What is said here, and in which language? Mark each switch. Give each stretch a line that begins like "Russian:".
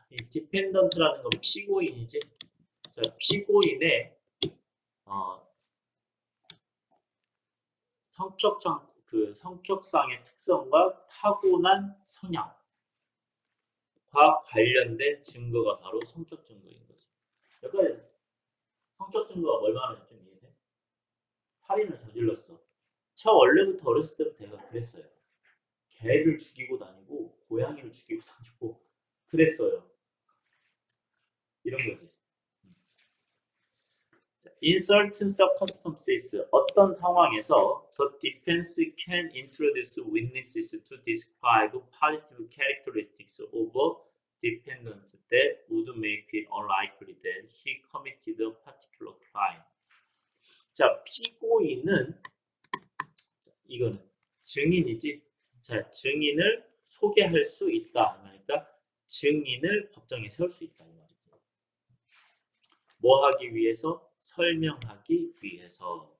Korean: 디펜던트라는 건 피고인이지. 자, 피고인의 성격상의 특성과 타고난 성향과 관련된 증거가 바로 성격 증거인 거지. 약간 성격 증거가 얼마나 좀 이해돼? 살인을 저질렀어. 저 원래부터 어렸을 때부터 내가 그랬어요. 개를 죽이고 다니고 고양이를 죽이고 다니고 그랬어요. 이런 거지.
English: In certain circumstances,
Korean: 어떤 상황에서
English: the defense can introduce witnesses to describe positive characteristics of dependent that would make it unlikely that he committed a particular crime.
Korean: 자, 피고인은, 이거는 증인이지. 자, 증인을 소개할 수 있다. 그러니까 증인을 법정에 세울 수 있다. 뭐 하기 위해서? 설명하기 위해서.